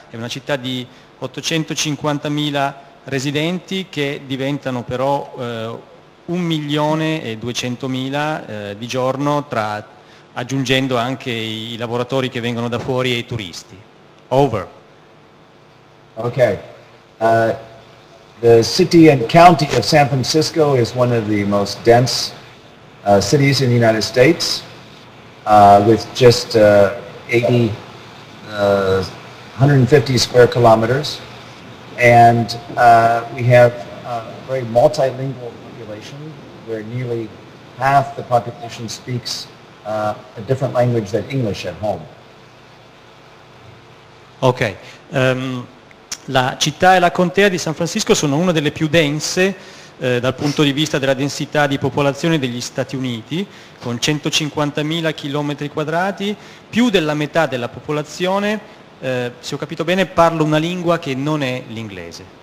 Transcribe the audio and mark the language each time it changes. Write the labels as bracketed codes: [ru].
[it] È una città di 850.000 residenti che diventano però 1.200.000 di giorno, aggiungendo anche i lavoratori che vengono da fuori e i turisti. [en] Over. Okay. The city and county of San Francisco is one of the most dense cities in the United States, with just 150 square kilometers. And we have a very multilingual population, where nearly half the population speaks a different language than English at home. Okay. [it] La città e la contea di San Francisco sono una delle più dense dal punto di vista della densità di popolazione degli Stati Uniti, con 150.000 chilometri quadrati, più della metà della popolazione. Se ho capito bene, parlo una lingua che non è l'inglese.